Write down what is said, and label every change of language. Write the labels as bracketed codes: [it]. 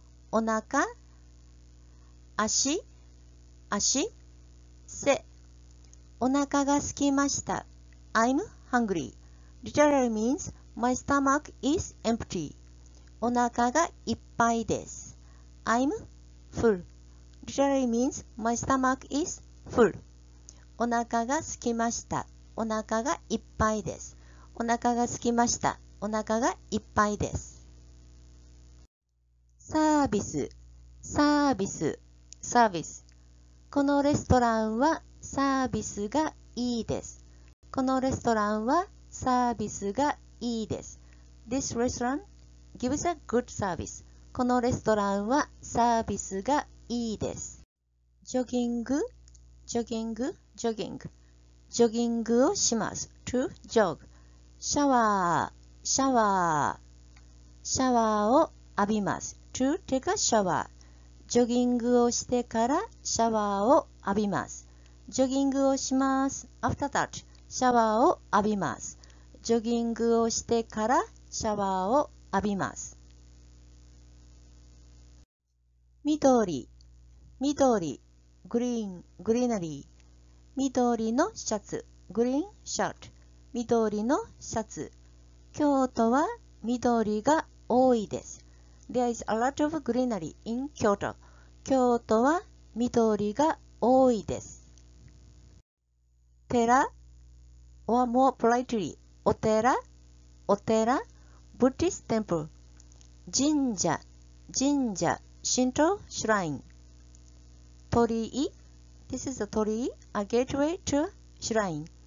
[ja] お腹、足、足、お腹が空きました。 [en] I'm hungry. Literally means my stomach is empty. [ja] お腹がいっぱいです。 [en] I'm full. Literally means my stomach is full. [ja] お腹が空きました。お腹がいっぱいです。お腹が空きました。お腹がいっぱいです。サービス、サービス、サービス。このレストランはサービスがいいです。このレストランはサービスがいいです。 [en] This restaurant gives a good service. [ja] このレストランはサービスがいいです。ジョギング、ジョギング、ジョギング。ジョギングをします。 [en] To jog. [ja] シャワー、シャワー。シャワーを浴びます。 [en] To take a shower. [ja] ジョギングをしてからシャワーを浴びます。ジョギングをします。 [en] After that, [ja] シャワーを浴びます。ジョギングをしてからシャワーを浴びます。緑、緑、グリーン、グリーナリー。緑のシャツ、グリーンシャーツ。緑のシャツ。京都は緑が多いです。 [en] There is a lot of greenery in Kyoto. [ja] 京都は緑が多いです。 [en] 寺、or more politely, お寺、お寺、Buddhist temple. [ja] 神社、神社、Shinto shrine. [en] 鳥居、This is a 鳥居, a gateway to shrine.